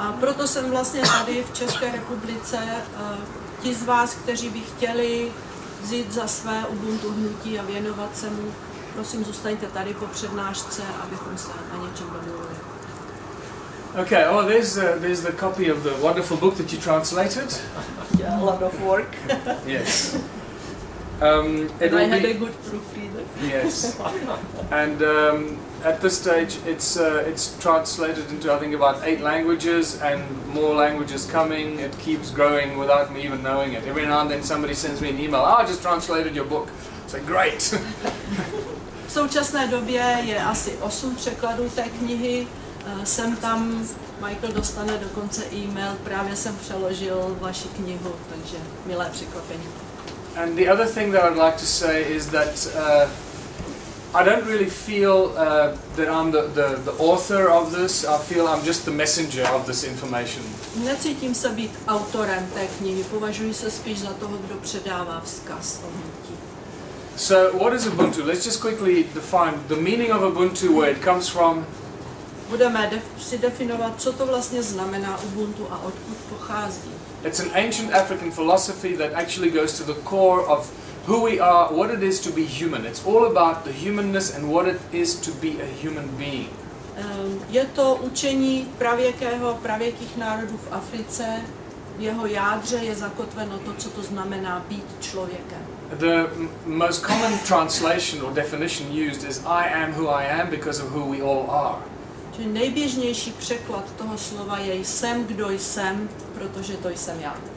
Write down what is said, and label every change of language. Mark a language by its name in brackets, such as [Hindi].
[Czech] A proto jsem vlastně tady v České republice. Ti z vás, kteří by chtěli vzít za své Ubuntu hnutí a věnovat se mu, prosím, zůstaňte tady po přednášce, abychom se na něčem domluvili. [English] Okay, oh, there's the copy of the wonderful book that you translated. Yeah, a lot of work. Yes. And I had a good proofreader. Yes. And at this stage it's translated into I think about 8 languages and more languages coming. It keeps growing without me even knowing it. Every now and then somebody sends me an email, I just translated your book. It's like, great. [Czech] V současné době je asi 8 překladů té knihy. Sem tam Michael dostane dokonce e-mail, právě jsem přeložil vaši knihu, takže milé překvapení. [English] And the other thing that I'd like to say is that I don't really feel that I'm the author of this. I feel I'm just the messenger of this information. [Czech] Necítím se být autorem té knihy. Považuji se spíš za toho, kdo předává vzkaz o hnutí. [English] So what is Ubuntu? Let's just quickly define the meaning of Ubuntu, where it comes from. [Czech] budeme přidefinovat, co to vlastně znamená Ubuntu a odkud pochází. [English] It's an ancient African philosophy that actually goes to the core of who we are, what it is to be human. It's all about the humanness and what it is to be a human being. [Czech] Je to učení pravěkých národů v Africe. V jeho jádře je zakotveno to, co to znamená být člověkem. [English] The most common translation or definition used is I am who I am because of who we all are. [Czech] Čili nejběžnější překlad toho slova je jsem, kdo jsem, protože to jsem já.